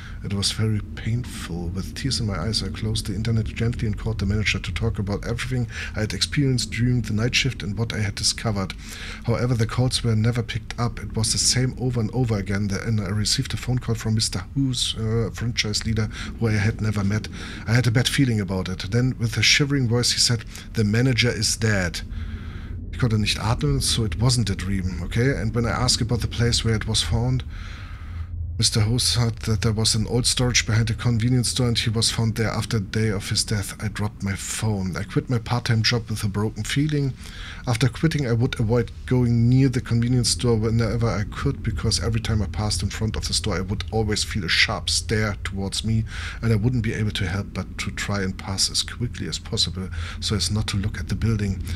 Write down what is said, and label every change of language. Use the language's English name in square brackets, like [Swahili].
[English] It was very painful. With tears in my eyes, I closed the internet gently and called the manager to talk about everything I had experienced during the night shift and what I had discovered. However, the calls were never picked up. It was the same over and over again, and I received a phone call from Mr. Who's franchise leader, who I had never met. I had a bad feeling about it. Then, with a shivering voice, he said, "The manager is dead." [German] Ich konnte nicht atmen, [English] so it wasn't a dream, okay? And when I asked about the place where it was found, Mr. Ho said that there was an old storage behind a convenience store and he was found there after the day of his death. I dropped my phone. I quit my part-time job with a broken feeling. After quitting, I would avoid going near the convenience store whenever I could, because every time I passed in front of the store, I would always feel a sharp stare towards me and I wouldn't be able to help but to try and pass as quickly as possible so as not to look at the building.